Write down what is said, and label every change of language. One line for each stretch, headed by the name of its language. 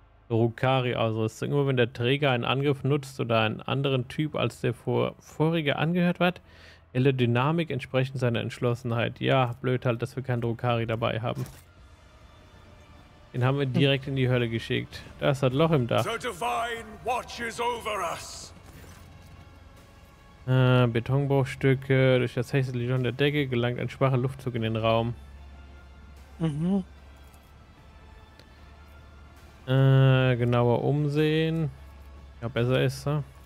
German: Rukari-Ausrüstung. Immer wenn der Träger einen Angriff nutzt oder einen anderen Typ als der vorige angehört hat, ändert Dynamik entsprechend seiner Entschlossenheit. Ja, blöd halt, dass wir keinen Rukari dabei haben. Den haben wir direkt in die Hölle geschickt. Das hat Loch im Dach.
English: The Divine watches over us.
German: Betonbruchstücke durch das Hexalion der Decke gelangt ein schwacher Luftzug in den Raum. Mhm. Genauer umsehen. Ja, besser ist er.